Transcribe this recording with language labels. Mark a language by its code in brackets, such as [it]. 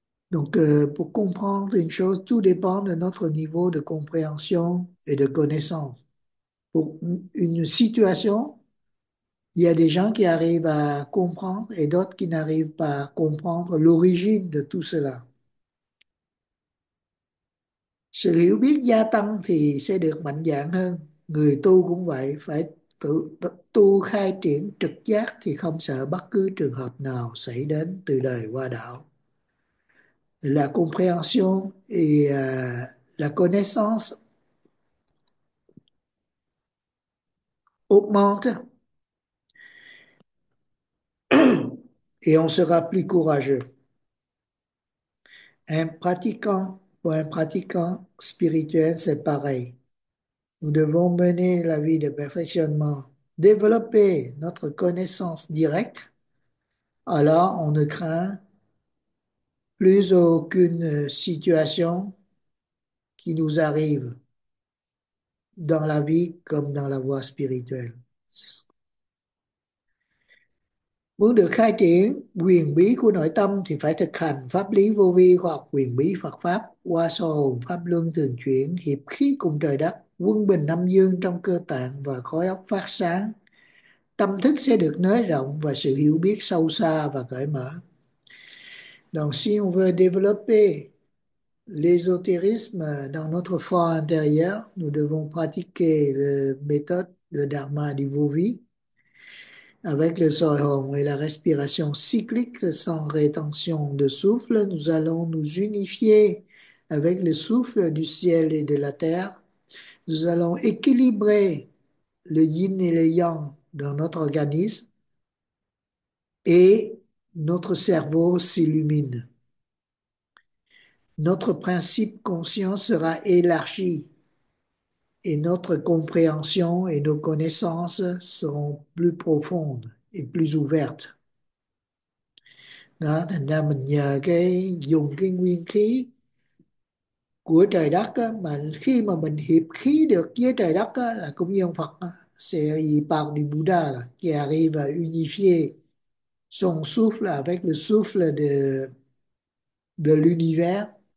[fr] Donc, pour comprendre une chose, tout dépend de notre niveau de compréhension et de connaissance. Pour une situation, il y a des gens qui arrivent à comprendre et d'autres qui n'arrivent pas à comprendre l'origine de tout cela. [vi] Sự hiểu biết gia tăng thì sẽ được mạnh dạn hơn. Người tu cũng vậy, phải tự tu khai triển trực giác thì không sợ bất cứ trường hợp nào xảy đến từ đời qua đạo. [fr] La compréhension et la connaissance augmente et on sera plus courageux. Un pratiquant ou un pratiquant spirituel, c'est pareil. Nous devons mener la vie de perfectionnement. Développer notre connaissance directe, alors on ne craint plus aucune situation qui nous arrive dans la vie comme dans la voie spirituelle. [vi] Muốn được khai triển quyền bí của nội tâm thì phải thực hành pháp lý vô vi hoặc quyền bí Phật pháp qua soi hồn pháp luân thường chuyển hiệp khí cùng trời đất quân bình âm dương trong cơ tạng và khối óc phát sáng. Tâm thức sẽ được nới rộng và sự hiểu biết sâu xa và cởi mở. [fr] Donc, si on veut développer l'ésotérisme dans notre fort intérieur, nous devons pratiquer la méthode de Dharma du Vô-Vi avec le soi hồn et la respiration cyclique sans rétention de souffle. Nous allons nous unifier avec le souffle du ciel et de la terre. Nous allons équilibrer le yin et le yang dans notre organisme et notre cerveau s'illumine. Notre principe conscient sera élargi et notre compréhension et nos connaissances seront plus profondes et plus ouvertes. [vi] Đó, thành ra mình nhờ cái dùng cái nguyên khí của trời đất á, mà khi mà mình hiệp khí được với trời đất á, là cũng như ông Phật sẽ y bảo đi Buddha là [fr] qui arrive à unifier son souffle avec le souffle de l'univers.